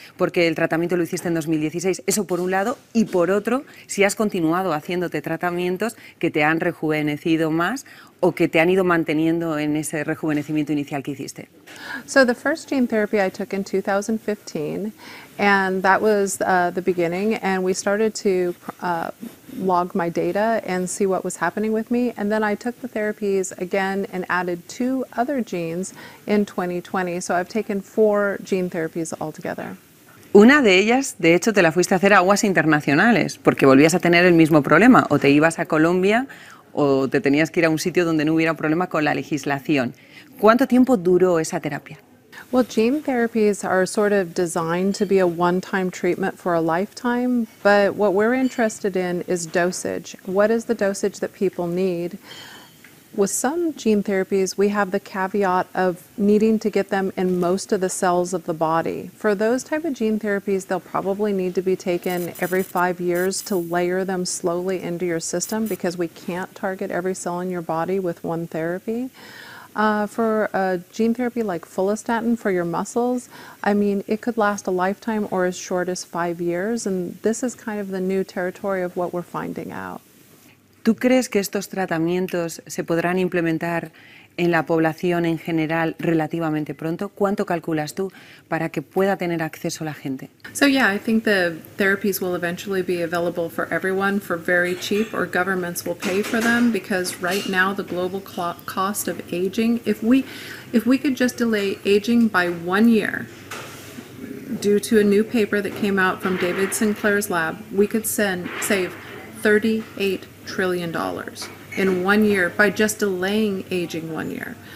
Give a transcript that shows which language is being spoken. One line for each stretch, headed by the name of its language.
Spanish: Porque el tratamiento lo hiciste en 2016, eso por un lado, y por otro, si has continuado haciéndote tratamientos que te han rejuvenecido más o que te han ido manteniendo en ese rejuvenecimiento inicial que hiciste.
English: So the first gene therapy I took in 2015, and that was the beginning, and we started to log my data and see what was happening with me. And then I took the therapies again and added 2 other genes in 2020. So I've taken 4 gene therapies altogether.
Spanish: Una de ellas, de hecho, te la fuiste a hacer a aguas internacionales, porque volvías a tener el mismo problema, o te ibas a Colombia, o te tenías que ir a un sitio donde no hubiera un problema con la legislación. ¿Cuánto tiempo duró esa terapia?
English: Well, gene therapies are sort of designed to be a one-time treatment for a lifetime, but what we're interested in is dosage. What is the dosage that people need? With some gene therapies, we have the caveat of needing to get them in most of the cells of the body. For those type of gene therapies, they'll probably need to be taken every 5 years to layer them slowly into your system because we can't target every cell in your body with one therapy. For a gene therapy like follistatin for your muscles, I mean, it could last a lifetime or as short as 5 years, and this is kind of the new territory of what we're finding out.
Spanish: ¿Tú crees que estos tratamientos se podrán implementar en la población en general relativamente pronto? ¿Cuánto calculas tú para que pueda tener acceso la gente?
English: So yeah, I think the therapies will eventually be available for everyone for very cheap, or governments will pay for them, because right now the global cost of aging, if we could just delay aging by 1 year due to a new paper that came out from David Sinclair's lab, we could save $38 trillion in 1 year by just delaying aging 1 year.